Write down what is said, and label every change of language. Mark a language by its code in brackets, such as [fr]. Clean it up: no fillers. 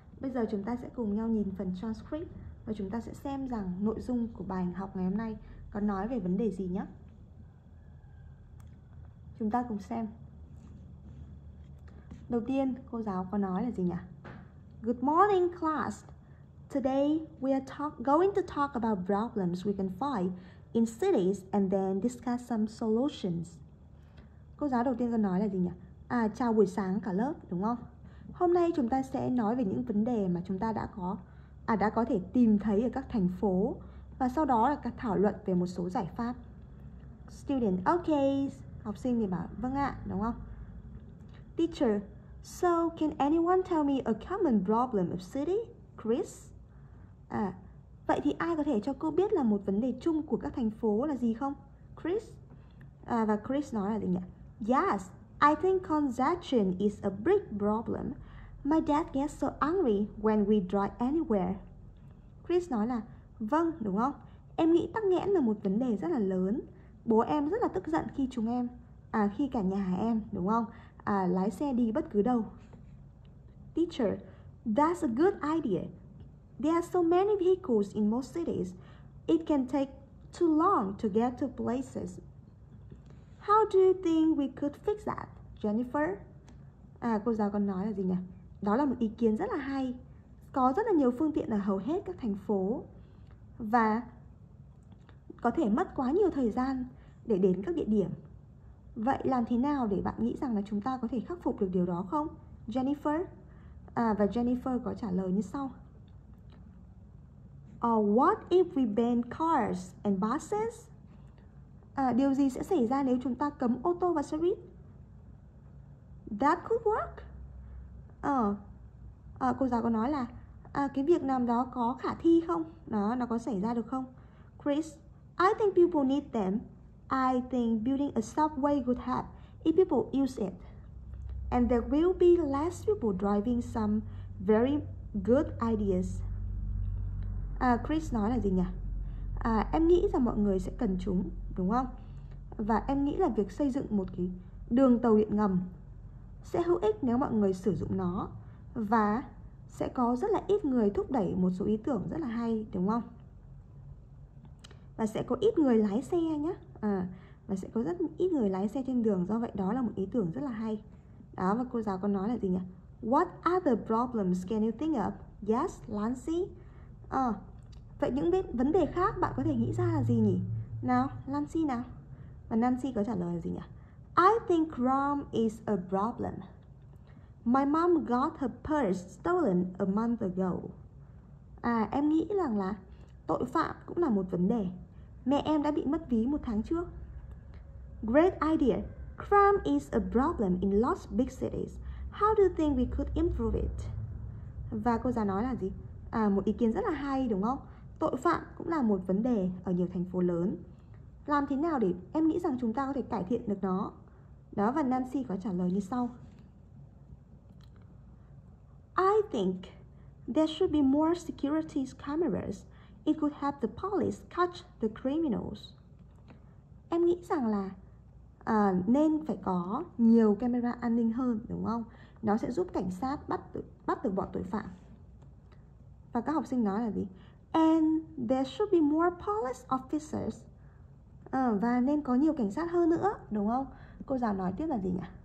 [vi] Bây giờ chúng ta sẽ cùng nhau nhìn phần transcript và chúng ta sẽ xem rằng nội dung của bài học ngày hôm nay có nói về vấn đề gì nhé. Chúng ta cùng xem. Đầu tiên, cô giáo có nói là gì nhỉ? [en] Good morning, class. Today, we are going to talk about problems we can find in cities and then discuss some solutions. [vi] Cô giáo đầu tiên có nói là gì nhỉ? À, chào buổi sáng cả lớp, đúng không? Hôm nay chúng ta sẽ nói về những vấn đề mà chúng ta đã có thể tìm thấy ở các thành phố và sau đó là các thảo luận về một số giải pháp. Student, okay. Học sinh thì bảo, vâng ạ, đúng không? [en] Teacher, so can anyone tell me a common problem of city? Chris? [vi] À, vậy thì ai có thể cho cô biết là một vấn đề chung của các thành phố là gì không? Chris? À, và Chris nói là gì nhỉ? [en] Yes, I think congestion is a big problem. My dad gets so angry when we drive anywhere. [vi] Chris nói là, vâng, đúng không? Em nghĩ tắc nghẽn là một vấn đề rất là lớn. Bố em rất là tức giận khi khi cả nhà em, đúng không? À, lái xe đi bất cứ đâu. [en] Teacher, that's a good idea. There are so many vehicles in most cities. It can take too long to get to places. How do you think we could fix that, Jennifer? [vi] À, cô giáo còn nói là gì nhỉ? Đó là một ý kiến rất là hay. Có rất là nhiều phương tiện ở hầu hết các thành phố. Và có thể mất quá nhiều thời gian để đến các địa điểm. Vậy làm thế nào để bạn nghĩ rằng là chúng ta có thể khắc phục được điều đó không, Jennifer? À, và Jennifer có trả lời như sau. [en] What if we ban cars and buses? [vi] À, điều gì sẽ xảy ra nếu chúng ta cấm ô tô và xe buýt? [en] That could work. [vi] Cô giáo có nói là cái việc làm đó có khả thi không? Nó có xảy ra được không? [en] Chris, I think people need them. I think building a subway would help if people use it. And there will be less people driving some very good ideas. [vi] Chris nói là gì nhỉ? Em nghĩ rằng mọi người sẽ cần chúng, đúng không? Và em nghĩ là việc xây dựng một cái đường tàu điện ngầm sẽ hữu ích nếu mọi người sử dụng nó và sẽ có rất là ít người thúc đẩy một số ý tưởng rất là hay, đúng không? Và sẽ có ít người lái xe nhé. Và sẽ có rất ít người lái xe trên đường, do vậy đó là một ý tưởng rất là hay. Đó, và cô giáo có nói là gì nhỉ? [en] What other problems can you think of? [vi] Yes, Lancy. Vậy những vấn đề khác bạn có thể nghĩ ra là gì nhỉ? Nào, Lancy nào. Và Nancy có trả lời là gì nhỉ? [en] I think crime is a problem. My mom got her purse stolen a month ago. [vi] À, em nghĩ rằng là tội phạm cũng là một vấn đề. Mẹ em đã bị mất ví một tháng trước. [en] Great idea. Crime is a problem in lots of big cities. How do you think we could improve it? [vi] Và cô giáo nói là gì? À, một ý kiến rất là hay, đúng không? Tội phạm cũng là một vấn đề ở nhiều thành phố lớn. Làm thế nào để em nghĩ rằng chúng ta có thể cải thiện được nó? Đó, và Nancy có trả lời như sau. [en] I think there should be more security cameras. It could help the police catch the criminals. [vi] Em nghĩ rằng là nên phải có nhiều camera an ninh hơn, đúng không? Nó sẽ giúp cảnh sát bắt được bọn tội phạm. Và các học sinh nói là gì? [en] And there should be more police officers. [vi] Và nên có nhiều cảnh sát hơn nữa, đúng không? Cô giáo nói tiếp là gì nhỉ?